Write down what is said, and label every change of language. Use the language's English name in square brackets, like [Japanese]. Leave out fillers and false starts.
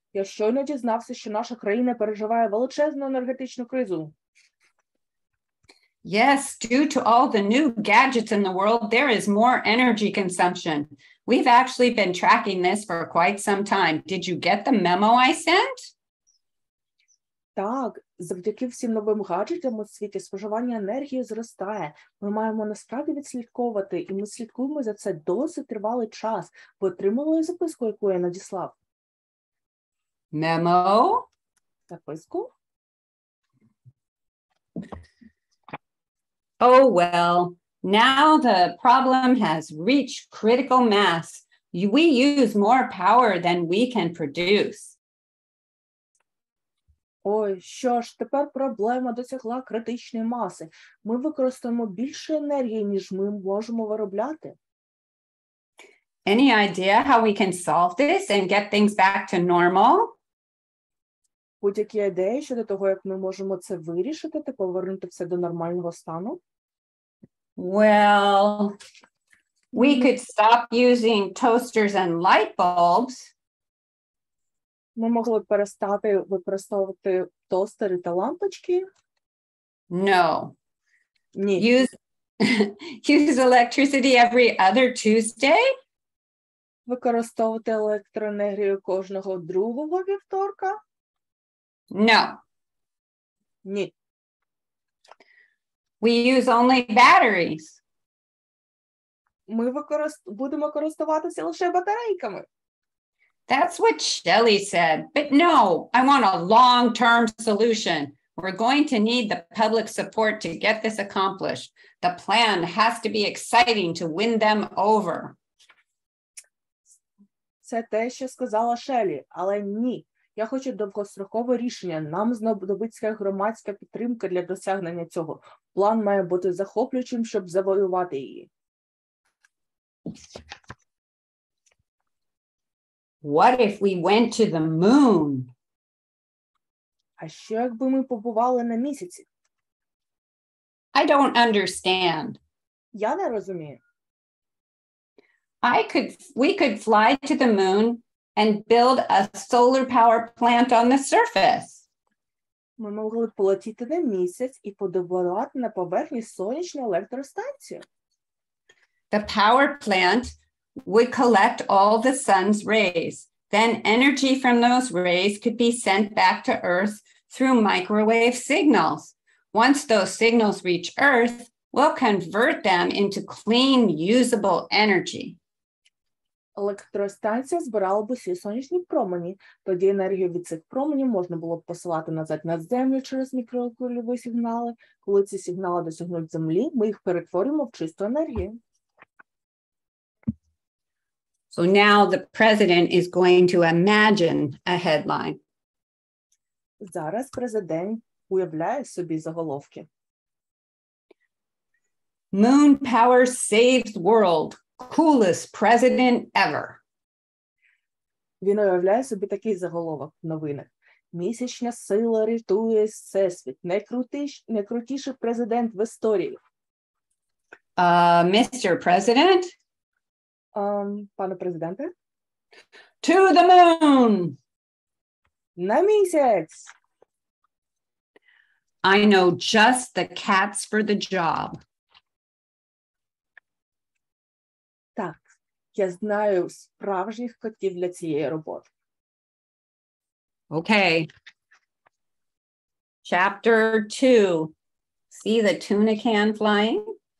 [Ukrainian] Я щойно дізнався, що наша країна переживає величезну енергетичну кризу. [English] Yes, due to all the new gadgets in the world, there is more energy consumption. We've actually been tracking this for quite some time. Did you get the memo I sent? [Ukrainian] Так, завдяки всім новим гаджетам у світі споживання енергії зростає. Ми маємо насправді відслідковувати, і ми слідкуємо за це досить тривалий час. Ви отримали записку, яку я надіслав? [English] Memo? [Ukrainian] Записку? [English] Oh, well, now the problem has reached critical mass. We use more power than we can produce. [Ukrainian] Ой, що ж, тепер проблема досягла критичної маси. Ми використовуємо більше енергії, ніж ми можемо виробляти. [English] Any idea how we can solve this and get things back to normal? [Ukrainian] Будь-які ідеї щодо того, як ми можемо це вирішити та повернути все до нормального стану? [English] Well, we could stop using toasters and light bulbs. [Ukrainian] Ми могли б перестати використовувати тостери та лампочки? [English] No. [Ukrainian] Ні. [English] Use electricity every other Tuesday? [Ukrainian] Використовувати електроенергію кожного другого вівторка? [English] No. [Ukrainian] Ні. [English] We use only batteries. [Ukrainian] Ми будемо користуватися лише батарейками. [English] That's what Shelly said. But no, I want a long-term solution. We're going to need the public support to get this accomplished. The plan has to be exciting to win them over. [Ukrainian] Це те, що сказала Шеллі, але ні. Я хочу довгострокове рішення. Нам знадобиться громадська підтримка для досягнення цього. План має бути захоплюючим, щоб завоювати її. [English] What if we went to the moon? [Ukrainian] А що якби ми побували на місяці? [English] I don't understand. [Ukrainian] Я не розумію. [English] We could fly to the moon and build a solar power plant on the surface. [Ukrainian] Ми могли б полетіти на місяць і побудувати на поверхні сонячну електростанцію. [English] The power plant would collect all the sun's rays. Then energy from those rays could be sent back to Earth through microwave signals. Once those signals reach Earth, we'll convert them into clean, usable energy. [Ukrainian] Електростанція збирала б усі сонячні промені. Тоді енергію від цих променів можна було б посилати назад на Землю через мікрохвильові сигнали. Коли ці сигнали досягнуть Землі, ми їх перетворимо в чисту енергію. [English] So now the president is going to imagine a headline. [Ukrainian] Зараз президент уявляє собі заголовки. [English] Moon power saves world. Coolest president ever. [Ukrainian] Він уявляє собі такий заголовок в новинах. Місячна сила рятує всесвіт. Найкрутіший президент в історії. [English] Mr. President? [Ukrainian] Пане президенте? [English] To the moon! [Ukrainian] На місяць! [English] I know just the cats for the job. [Ukrainian] Так, я знаю справжніх котів для цієї роботи. [English] Okay. Chapter 2. See the tuna can flying?